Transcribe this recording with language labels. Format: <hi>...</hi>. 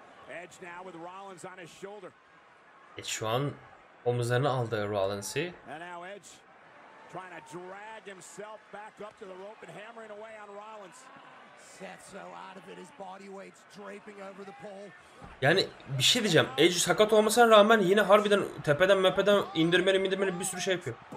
<en>Edge now with Rollins on his shoulder.</en> <tr>Edge şu an omuzlarını aldı Rollins'i.</tr> <en>And now Edge trying to drag himself back up to the rope and hammering away on Rollins. Seth so out of it, his body weight's draping over the pole.</en> <tr>Yani bir şey diyeceğim. Edge sakat olmasına rağmen yine harbiden tepeden mepeden indirmeli bir sürü şey yapıyor.</tr>